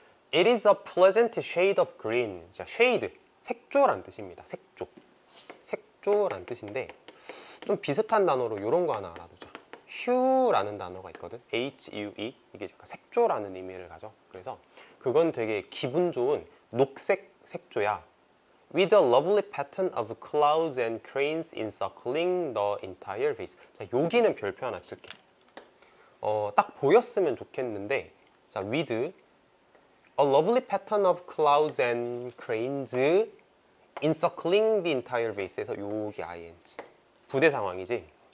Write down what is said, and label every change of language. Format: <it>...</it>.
<en>It is a pleasant shade of green. 자, shade.</en> <ko>색조란 뜻입니다. 색조. 색조란 뜻인데 좀 비슷한 단어로 이런 거 하나 알아두자. Hue라는 단어가 있거든. H-U-E. 이게 약간 색조라는 의미를 가져. 그래서 그건 되게 기분 좋은 녹색 색조야.</ko> <en>With a lovely pattern of clouds and cranes encircling the entire vase.</en> <ko>자, 여기는 별표 하나 칠게. 어, 딱 보였으면 좋겠는데</ko> <en>자, with a lovely pattern of clouds and cranes encircling the entire vase</en> <ko>에서 여기 ing 부대 상황이지.</ko>